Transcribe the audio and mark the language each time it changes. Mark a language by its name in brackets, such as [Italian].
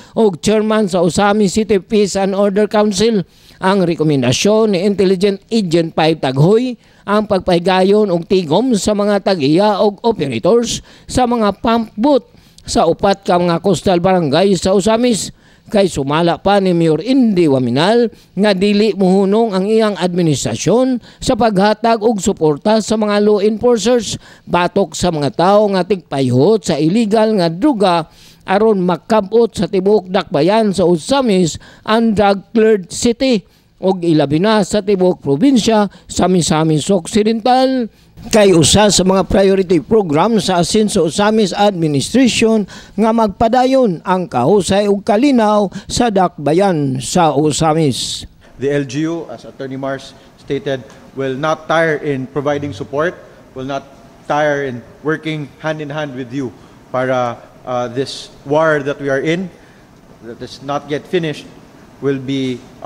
[Cebuano] o Chairman sa Usamis City Peace and Order Council, ang rekomendasyon ni Intelligent Agent 5 Taghoy ang pagpahigayon og tigom sa mga tag-iya og operators sa mga pump boot sa upat ka mga coastal barangay sa Usamis. Kay sumala pa ni Mayor Indy Waminal nga dili muhunong ang iyang administrasyon sa paghatag og suporta sa mga law enforcers batok sa mga tao nga tigpayhot sa illegal nga druga aron makabot sa tibuok Dakbayan sa Usamis ang drug-cleared city og ilabi na sa tibuok probinsya sa Misamis Occidental. Kay usa sa mga priority program sa asin sa Usamis Administration nga magpadayon ang kahusay ug kalinaw sa Dakbayan sa Usamis. [English] The LGU, as Attorney Mars stated, will not tire in providing support, will not tire in working hand in hand with you para this war that we are in, that is not yet finished, will be